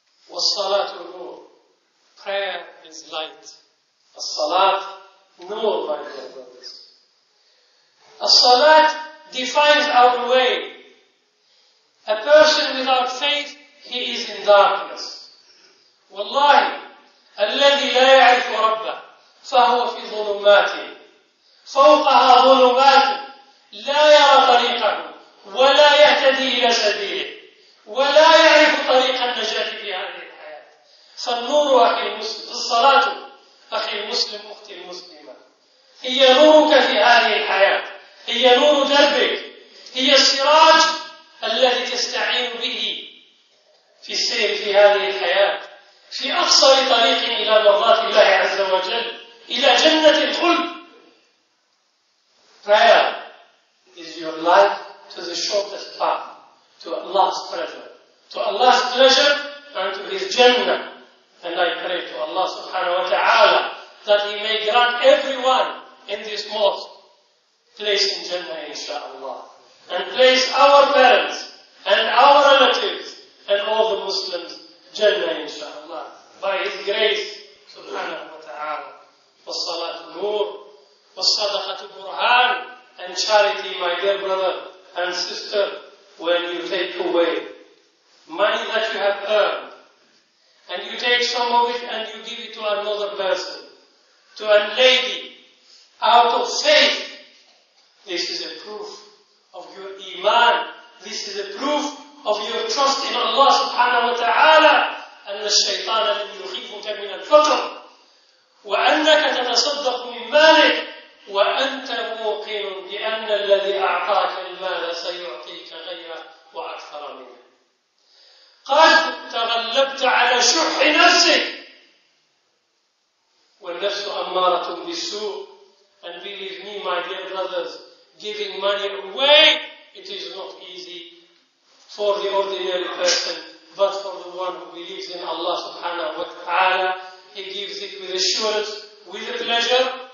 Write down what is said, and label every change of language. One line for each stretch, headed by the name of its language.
Arabic: Was-salatu nur.
English: Prayer is light.
Arabic: As-salat nur,
English: my dear brothers. As-salat defines our way. A person without faith, he is in darkness.
Arabic: Wallahi, الذي لا يعرف ربه فهو في ظلماته. فوقها ظلمات لا يرى طريقه ولا يهتدي إلى سبيله ولا يعرف طريق النجاة في هذه الحياة. فالنور أخي المسلم، الصلاة أخي المسلم أختي المسلمة هي نورك في هذه الحياة، هي نور دربك، هي السراج الذي تستعين به في السير في هذه الحياة، في أقصر طريق إلى مرضات الله عز وجل، إلى جنة الخلد.
English: Prayer is your life to the shortest path, to Allah's pleasure. To Allah's pleasure and to His Jannah. And I pray to Allah subhanahu wa ta'ala that He may grant everyone in this mosque place in Jannah insha'Allah. And place our parents and our relatives and all the Muslims Jannah insha'Allah. By His grace subhanahu wa ta'ala.
Arabic: Was-salatu nur. والصدقة برهان.
English: And charity, my dear brother and sister, when you take away money that you have earned and you take some of it and you give it to another person, to a lady, out of faith, this is a proof of your iman. This is a proof of your trust in Allah subhanahu wa ta'ala.
Arabic: أن الشيطان لم يخيفك من الفقر وأنك تتصدق من مالك وأنت موقن بأن الذي أعطاك المال سيعطيك غيره وأكثر منه. قد تغلبت على شح نفسك والنفس أمارة بالسوء.
English: And believe me, my dear brothers, giving money away, it is not easy for the ordinary person, but for the one who believes in Allah subhanahu wa ta'ala, he gives it with assurance, with pleasure.